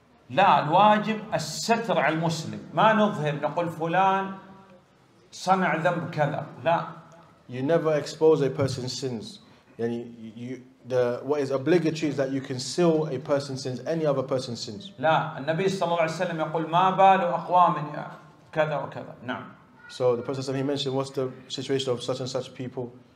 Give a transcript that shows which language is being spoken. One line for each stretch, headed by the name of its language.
Arabic: لا، الواجب الستر على المسلم. ما نظهر نقول فلان صنع ذنب كذا. لا.
English: You never expose a person's sins.
Arabic: يعني
English: what is obligatory is that you conceal a person's sins, any other person's sins.
Arabic: لا، النبي صلى الله عليه وسلم يقول ما بال أقوام كذا وكذا. نعم.
English: So the Prophet he mentioned what's the situation of such and such people.